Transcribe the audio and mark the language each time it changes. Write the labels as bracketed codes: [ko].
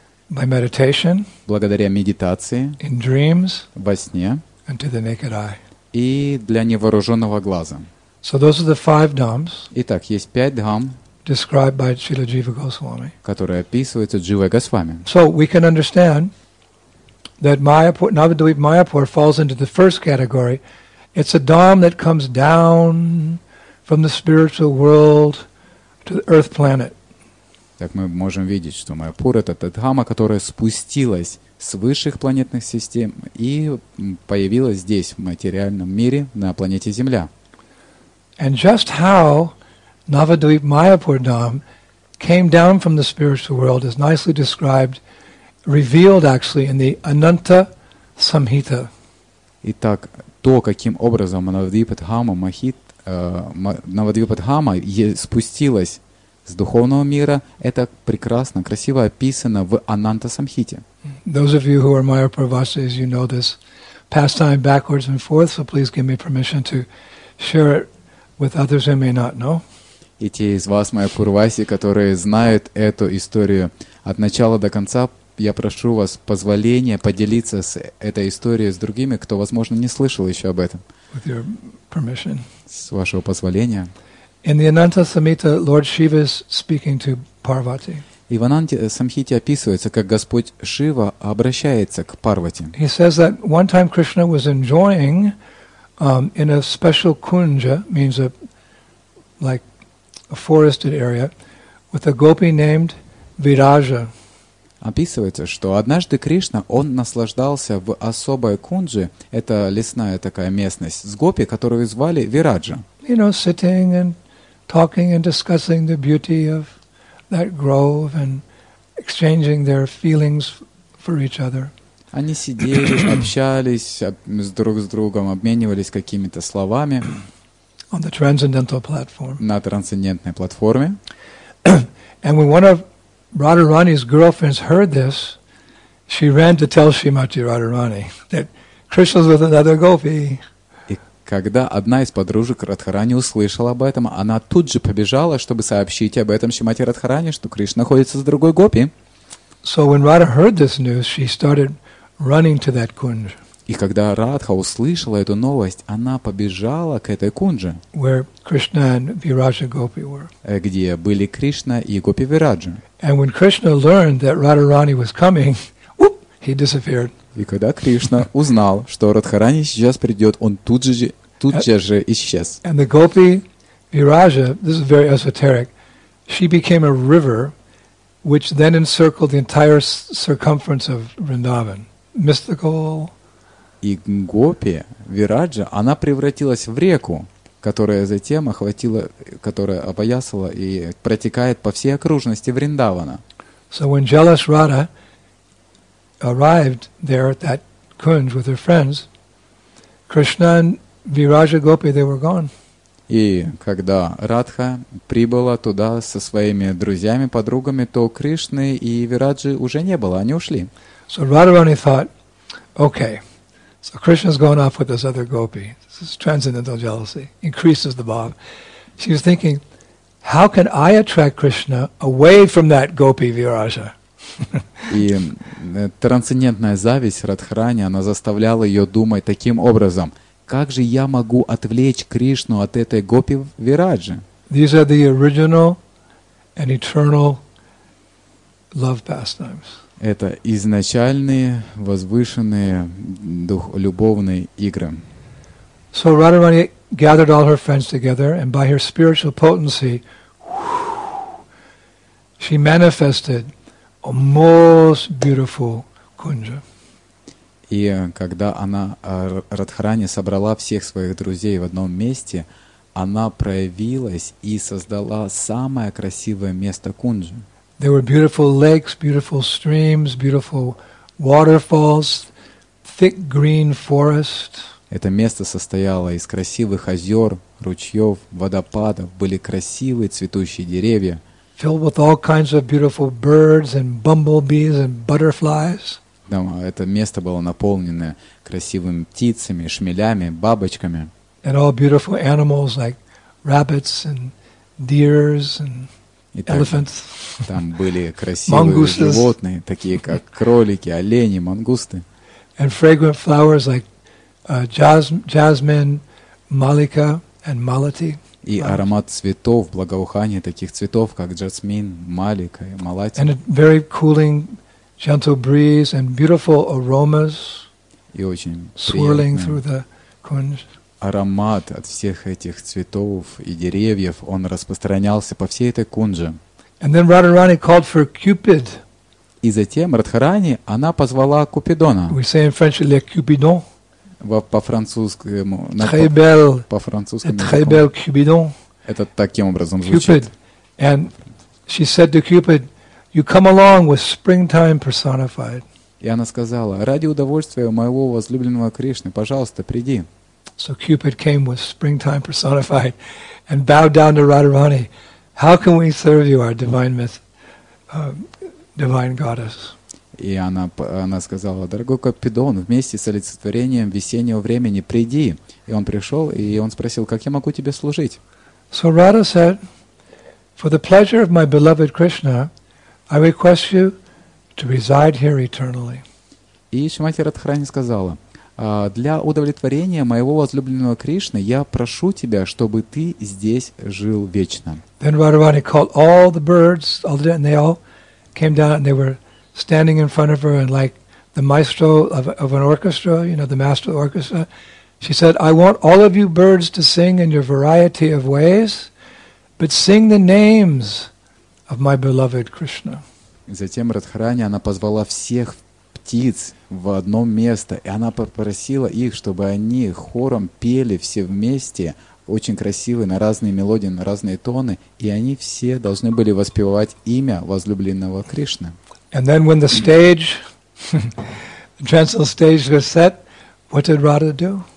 [en] By meditation, [ru] благодаря медитации, [en] in dreams, [ru] во сне, [en] and to the naked eye. [ru] И для невооруженного глаза. [en] So those are the five Dhams. [ru] Итак, есть пять Дхам, [en] described by Śrīla Jīva Gosvāmī. [ru] Которые описываются Джива Госвами. [en] So we can understand that Mayapur, Navadvipa Mayapur falls into the first category. It's a dham that comes down from the spiritual world to the earth planet. [ru] Так мы можем видеть, что Майяпур — это та дхамма, которая спустилась с высших планетных систем и появилась здесь, в материальном мире, на планете Земля. [en] And just how Navadvip Mayapur dham came down from the spiritual world is nicely described, revealed actually in the Ananta Samhita. [ru] Итак, то, каким образом Навадвипа Дхамма спустилась с духовного мира, это прекрасно, красиво описано в Ананта Самхите. [en] Those of you who are Mayapurvasis, you know this pastime backwards and forth, so please give me permission to share it with others who may not know. [ru] И те из вас, Майяпурваси, которые знают эту историю от начала до конца, я прошу вас позволения поделиться с этой историей с другими, кто, возможно, не слышал еще об этом. [en] With your permission. [ru] С вашего позволения. [en] In the Ananta Samhita, Lord Shiva is speaking to Parvati. [ru] И в Ананте Самхите описывается, как Господь Шива обращается к Парвати. [en] He says that one time Krishna was enjoying in a special kunja, means a forested area, with a gopi named Viraja. [ru] Описывается, что однажды Кришна, он наслаждался в особой кунджи, это лесная такая местность, с гопи, которую звали Вираджа. [en] You know, sitting and talking and discussing the beauty of that grove and exchanging their feelings for each other. [ru] Они сидели, общались друг с другом, обменивались какими-то словами. [en] On the transcendental platform. [ru] На трансцендентной платформе. [en] And when one of Radharani's girlfriends heard this, she ran to tell Srimati Radharani that Krishna's with another gopi. [ru] И когда одна из подружек Радхарани услышала об этом, она тут же побежала, чтобы сообщить об этом Шримати Радхарани, что Кришна находится с другой гопи. [en] So when Radha heard this news, she started running to that kunj. [ru] И когда Радха услышала эту новость, она побежала к этой кунже, [en] where Krishna and Viraja Gopi were. [ru] Где были Кришна и Гопи Вираджа. [en] And when Krishna learned that Radharani was coming, he disappeared. [ru] И когда Кришна узнал, что Радхарани сейчас придет, он тут же исчез. [en] And the Gopi Viraja, this is very esoteric, she became a river, which then encircled the entire circumference of Vrindavan. Mystical. [ru] И Гопи Вираджа, она превратилась в реку, которая затем охватила, которая опоясала и протекает по всей окружности Вриндавана. [en] So when jealous Radha arrived there at that kunj with her friends, Krishna and Viraja Gopi, they were gone. [ru] И когда Радха прибыла туда со своими друзьями, подругами, то Кришны и Вираджи уже не было, они ушли. [en] So Radharani thought, okay. So Krishna's going off with this other gopi. This is transcendental jealousy. Increases the bhav. She was thinking, how can I attract Krishna away from that gopi Viraja? [ru] И трансцендентная зависть Радхарани, она заставляла ее думать таким образом. Как же я могу отвлечь Кришну от этой гопи Вираджи? [en] These are the original and eternal love pastimes. [ru] Это изначальные, возвышенные дух, любовные игры. [en] So Radharani gathered all her friends together, and by her spiritual potency, she manifested a most beautiful kunja. [ru] И когда она, Радхарани, собрала всех своих друзей в одном месте, она проявилась и создала самое красивое место кунджи. [en] There were beautiful lakes, beautiful streams, beautiful waterfalls, thick green forest. [ru] Это место состояло из красивых озер, ручьев, водопадов, были красивые цветущие деревья. [en] Filled with all kinds of beautiful birds and bumblebees and butterflies. [ru] Да, это место было наполнено красивыми птицами, шмелями, бабочками. [en] And all beautiful animals like rabbits and deers and elephants. [ru] Там были красивые животные, такие как кролики, олени, мангусты. [en] And fragrant flowers like jasmine, malika, and malati. [ru] И аромат цветов, благоухание таких цветов, как жасмин, малика и малати. [en] And a very cooling, gentle breeze and beautiful aromas. [ru] И очень [en] swirling through the kunj. [ru] Аромат от всех этих цветов и деревьев, он распространялся по всей этой кунже. [en] And then Radharani called for Cupid. [ru] И затем Радхарани, она позвала Купидона. [en] We say in French, [fr] le Cupidon. [ru] По-французскому. [fr] Très belle Cupidon. [ru] Это таким образом звучит. Cupid. [en] And she said to Cupid, you come along with springtime personified. [ru] И она сказала, ради удовольствия моего возлюбленного Кришны, пожалуйста, приди. [en] So Cupid came with springtime personified and bowed down to Radharani. How can we serve you, our divine myth, divine goddess? [ru] И она сказала, дорогой Купидон, вместе с олицетворением весеннего времени приди. И он пришел, и он спросил, как я могу тебе служить? [en] So Radha said, for the pleasure of my beloved Krishna, I request you to reside here eternally. [ru] И Шримати Радхарани сказала, для удовлетворения моего возлюбленного Кришны я прошу тебя, чтобы ты здесь жил вечно. [en] Then Radharani called all the birds, all the, and they all came down, and they were standing in front of her, and like the maestro of an orchestra, you know, the master of the orchestra, she said, I want all of you birds to sing in your variety of ways, but sing the names of my beloved Krishna. [ru] Затем Радхарани, она позвала всех птиц в одно место, и она попросила их, чтобы они хором пели все вместе, очень красивые, на разные мелодии, на разные тоны, и они все должны были воспевать имя возлюбленного Кришны. [en] And then when the stage, the transcendental stage was set, what did Radha do?